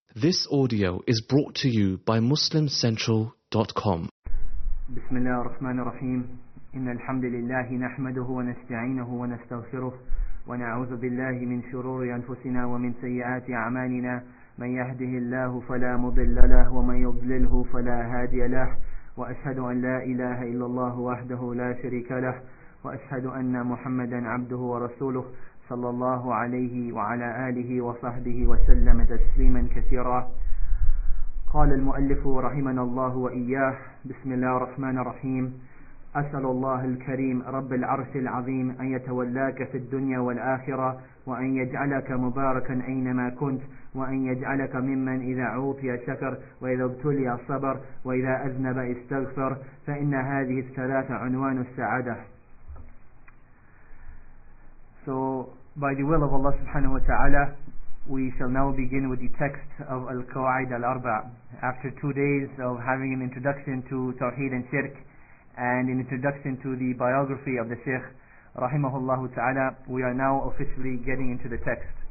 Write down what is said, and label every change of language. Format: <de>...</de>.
<en>This audio is brought to you by MuslimCentral.com.</en> <ar>بسم الله الرحمن الرحيم. إن الحمد لله نحمده ونستعينه ونستغفره ونعوذ بالله من شرور أنفسنا ومن سيئات أعمالنا. من يهده الله فلا مضل له ومن يضلله فلا هادي له. وأشهد أن لا إله إلا الله وحده لا شريك له. وأشهد أن محمدا عبده ورسوله. صلى الله عليه وعلى آله وصحبه وسلم تسليما كثيرا. قال المؤلف رحمنا الله وإياه. بسم الله الرحمن الرحيم. أسأل الله الكريم رب العرش العظيم أن يتولاك في الدنيا والآخرة، وأن يجعلك مباركا أينما كنت، وأن يجعلك ممن إذا عوفي شكر، وإذا ابتلي صبر، وإذا أذنب استغفر. فإن هذه الثلاثة عنوان السعادة.</ar> <en>So, by the will of Allah subhanahu wa ta'ala, we shall now begin with the text of Al-Qawaid Al-Arba'. After 2 days of having an introduction to Tawheed and Shirk, and an introduction to the biography of the Shaykh, rahimahullahu ta'ala, we are now officially getting into the text.</en>